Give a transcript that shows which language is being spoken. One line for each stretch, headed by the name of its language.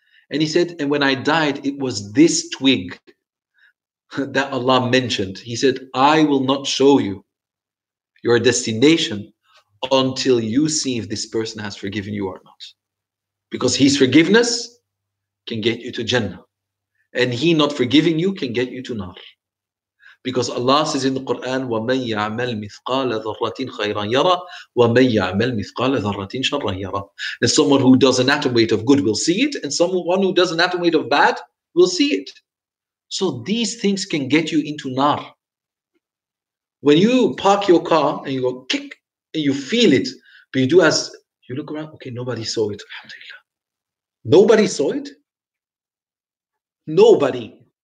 English: And he said, and when I died, it was this twig that Allah mentioned. He said, I will not show you your destination until you see if this person has forgiven you or not. Because his forgiveness can get you to Jannah. And he not forgiving you can get you to Nar. Because Allah says in the Quran,
Arabic: وَمَنْ يَعْمَلْ مِثْقَالَ ذَرَّةٍ خَيْرًا يَرَى وَمَنْ يَعْمَلْ مِثْقَالَ ذَرَّةٍ شَرًّا يَرَى.
English: And someone who does an atom weight of good will see it, and someone who does an atom weight of bad will see it. So these things can get you into Nar. When you park your car and you go kick, and you feel it, but you do as you look around, okay, nobody saw it. Alhamdulillah. Nobody saw it? Nobody.